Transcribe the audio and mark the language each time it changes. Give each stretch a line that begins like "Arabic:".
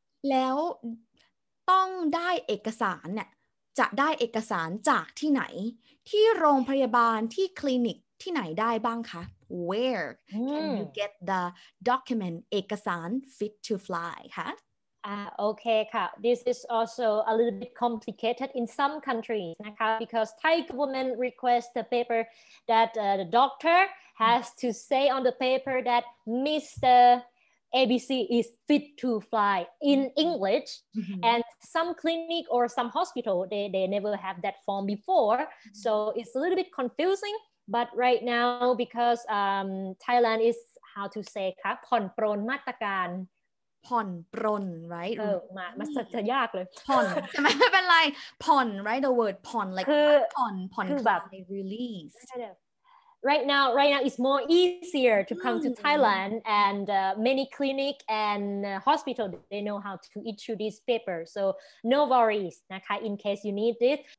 Thai: แล้วต้องได้เอกสารเนี่ยจะได้เอกสารจากที่ไหนที่โรงพยาบาลที่คลินิกที่ไหนได้บ้างคะ
English: Where can you get the document
Thai: เอกสาร fit to fly คะ
English: Okay, ค่ะ. This is also a little bit complicated in some countries, นะคะ, because Thai government requests the paper that the doctor has to say on the paper that Mr. ABC is fit to fly in English. And some clinic or some hospital, they never have that form before. So it's a little bit confusing. But right now, because Thailand is, how to say, ค่ะ,
Thai: ผ่อนปรนมาตรการ ผ่อนปรน right มาสัจจะยากเลย ผ่อนใช่ไหมไม่เป็นไรผ่อน
English: right the word
Thai: ผ่อน like ผ่อนผ่อน คือแบบ
English: release right now it's more easier to come to Thailand and many clinic and hospital they know how to issue this paper so no worries นะคะ in case you need this